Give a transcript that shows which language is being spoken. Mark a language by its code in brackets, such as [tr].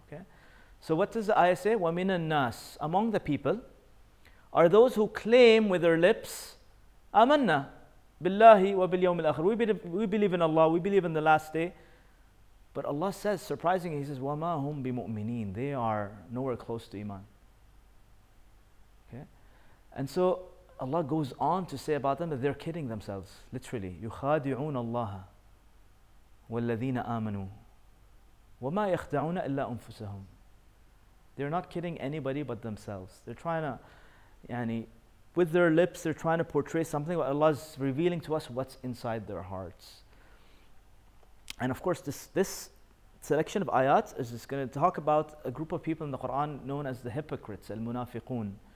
[en] Okay? So what does the ayah say? [ar] وَمِنَ النَّاسِ, [en] among the people, are those who claim with their lips, [ar] آمَنَّا بِاللَّهِ وَبِالْيَوْمِ الْآخِرِ. [en] We believe in Allah, we believe in the last day. But Allah says, surprisingly, He says, [ar] "Wa ma hum bi mu'mineen." [en] They are nowhere close to iman. Okay, and so Allah goes on to say about them that they're kidding themselves, literally. [ar] يخادعون الله والذين آمنوا وما يخدعون إلا أنفسهم. [en] They're not kidding anybody but themselves. They're trying to, with their lips, they're trying to portray something, but Allah's revealing to us what's inside their hearts. And of course, this selection of ayat is just going to talk about a group of people in the Quran known as the hypocrites, al-munafiqun.